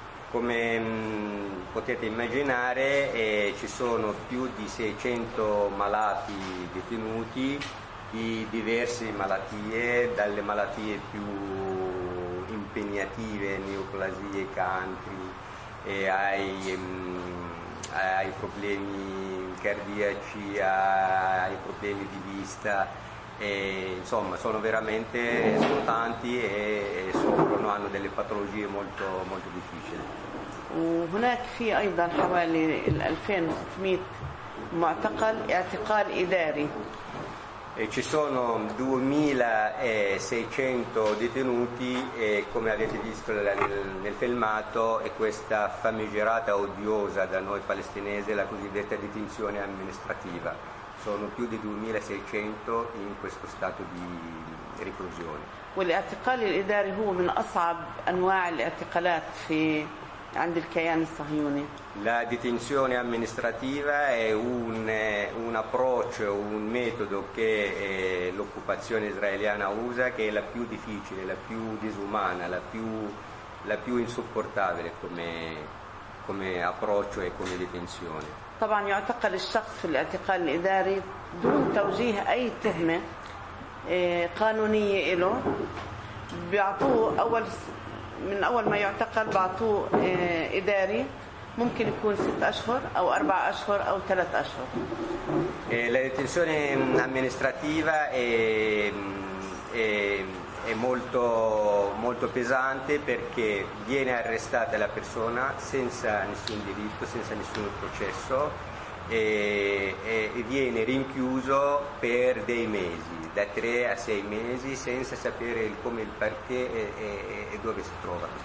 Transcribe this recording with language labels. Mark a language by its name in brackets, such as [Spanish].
[Italian] Come potete immaginare ci sono più di 600 malati detenuti di diverse malattie, dalle malattie più impegnative, neoplasie, cancri, e ai problemi cardiaci, ai problemi di vista, e insomma sono veramente sono tanti e soffrono, hanno delle patologie molto molto difficili. [Arabic] وهناك في ايضا حوالي 2600 معتقل اعتقال اداري. [Italian] E ci sono 2600 detenuti e come avete visto nel filmato è questa famigerata odiosa da noi palestinese, la cosiddetta detenzione amministrativa. Sono più di 2600 in questo stato di reclusione. [Arabic] والاعتقال الاداري هو من اصعب انواع الاعتقالات في عند الكيان الصهيوني. [Italian] La detenzione amministrativa è un approccio, un metodo che l'occupazione israeliana usa, che è la più difficile, la più disumana, la più insopportabile come approccio e come detenzione. [Arabic] طبعا يعتقل الشخص في الاعتقال الإداري دون توجيه أي تهمة قانونية له. بيعطوه أول من أول ما يعتقل بعطوه إداري. ممكن يكون 6 أشهر أو 4 أشهر أو 3 أشهر. [Italian] La detenzione amministrativa è molto molto pesante perché viene arrestata la persona senza nessun diritto, senza nessun processo e viene rinchiuso per dei mesi, da 3 a 6 mesi senza sapere il come, il perché e dove si trova.